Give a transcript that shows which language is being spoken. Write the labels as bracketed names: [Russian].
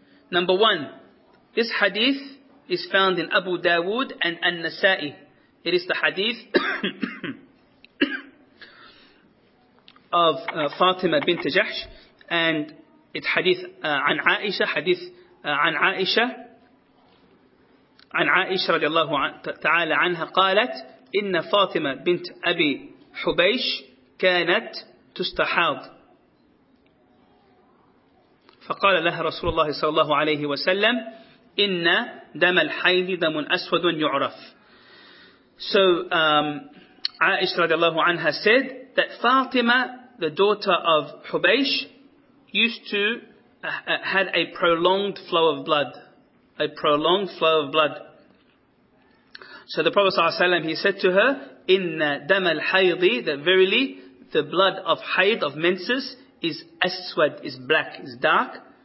[English] Number one, this hadith is found in Abu Dawood and An-Nasa'i. It is the hadith of Fatima bint Jahsh, and it's hadith an Aisha, hadith an Aisha. [Arabic] عن عائشة رضي الله تعالى عنها قالت إن فاطمة بنت أبي حبيش كانت تستحاض فقال لها رسول الله صلى الله عليه وسلم إن دم الحيض دم أسود يعرف. [English] So [Arabic] عائشة رضي الله عنها [English] said that Fatima, the daughter of Hubaysh, used to had a prolonged flow of blood. A prolonged flow of blood. So the Prophet ﷺ, he said to her, [Arabic] "Inna dam al haydi," [English] that verily the blood of hayd, of menses, is aswad, is black, is dark.